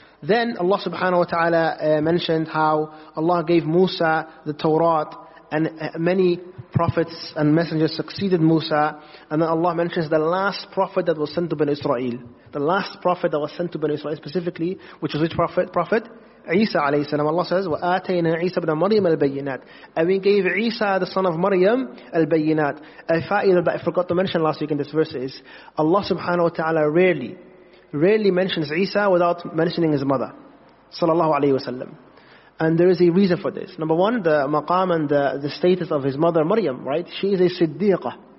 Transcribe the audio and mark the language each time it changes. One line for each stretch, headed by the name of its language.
English: Then Allah subhanahu wa ta'ala mentioned how Allah gave Musa the Torah and many prophets and messengers succeeded Musa. And then Allah mentions the last prophet that was sent to Ben Israel. The last prophet that was sent to Ben Israel specifically, which was which prophet? Prophet Isa alayhi salam.
Arabic: Allah says, وَآتَيْنَا عِيسَى بْنَ مَرْيَمَ الْبَيِّنَاتِ.
English: And we gave Isa, the son of Maryam, al-bayyinat. I forgot to mention last week in this verse is, Allah subhanahu wa ta'ala rarely mentions Isa without mentioning his mother, sallallahu alayhi wa sallam. And there is a reason for this. Number one, the maqam and the status of his mother, Maryam, right? She is a siddiqah.